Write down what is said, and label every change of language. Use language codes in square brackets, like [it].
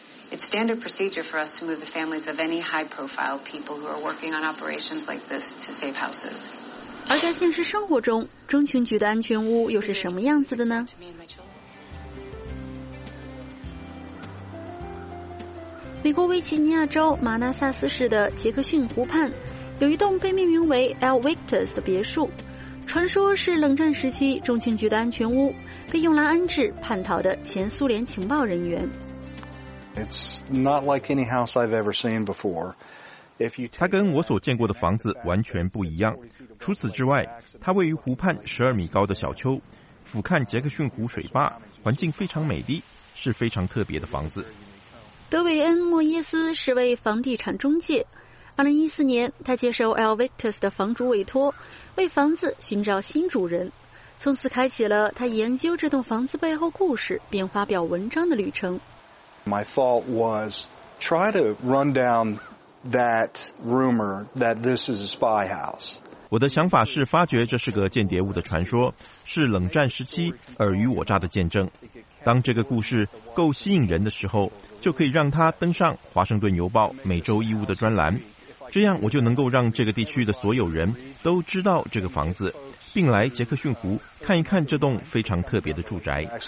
[en] It's standard procedure for us to move the families of any high-profile people who are working on operations like this to safe houses. [zh] 而在现实生活中，中情局的安全屋又是什么样子的呢？美国维吉尼亚州马纳萨斯市的杰克逊湖畔，有一栋被命名为 El Victus 的别墅，传说是冷战时期中情局的安全屋，被用来安置叛逃的前苏联情报人员。 [en] It's not like any house I've ever seen before. [zh] 它跟我所见过的房子完全不一样。除此之外，它位于湖畔12米高的小丘，俯瞰杰克逊湖水坝，环境非常美丽，是非常特别的房子。德韦恩·莫耶斯是位房地产中介。2014年，他接受 El Victus 的房主委托，为房子寻找新主人，从此开启了他研究这栋房子背后故事并发表文章的旅程。 [en] My fault was try to run down that rumor that this is a spy house. [zh] 我的想法是发掘这是个间谍物的传说，是冷战时期尔虞我诈的见证。当这个故事够吸引人的时候，就可以让它登上《华盛顿邮报》每周一物的专栏，这样我就能够让这个地区的所有人都知道这个房子，并来杰克逊湖看一看这栋非常特别的住宅。